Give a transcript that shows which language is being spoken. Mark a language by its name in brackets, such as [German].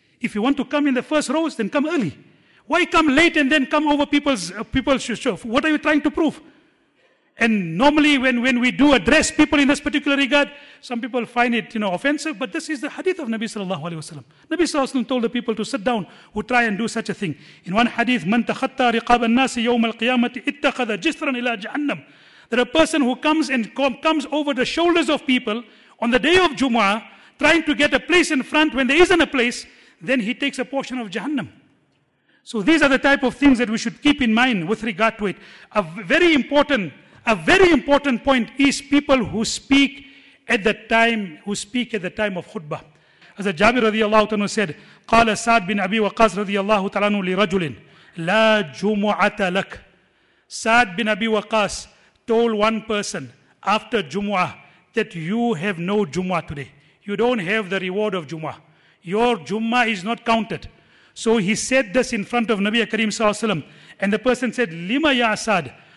[English] If you want to come in the first rows, then come early. Why come late and then come over people's show? What are you trying to prove? And normally when we do address people in this particular regard, some people find it, you know, offensive, but this is the hadith of Nabi sallallahu alayhi wa sallam. Nabi sallallahu alayhi wa sallam told the people to sit down who try and do such a thing. [Arabic] In one hadith, مَنْ تَخَطَّى رِقَابَ النَّاسِ يَوْمَ الْقِيَامَةِ اِتَّخَذَ جِسْرًا إِلَى جَهَنَّمْ. [English] That a person who comes and comes over the shoulders of people on the day of Jumu'ah, trying to get a place in front when there isn't a place, then he takes a portion of Jahannam. So these are the type of things that we should keep in mind with regard to it. A very important point is people who speak at the time, of khutbah. As Jabir radiallahu ta'ala said, [Arabic] قَالَ سَعْد بِنْ أَبِي وَقَاسْ radiallahu ta'ala لِرَجُلٍ لَا جُمُعَةَ لَكْ. [English] Sa'd bin Abi Waqas told one person after Jumu'ah that you have no Jumu'ah today. You don't have the reward of Jumu'ah. Your Jumu'ah is not counted. So he said this in front of Nabi Kareem sallallahu alayhi wa sallam. And the person said, [Arabic] Lima ya Sa'd?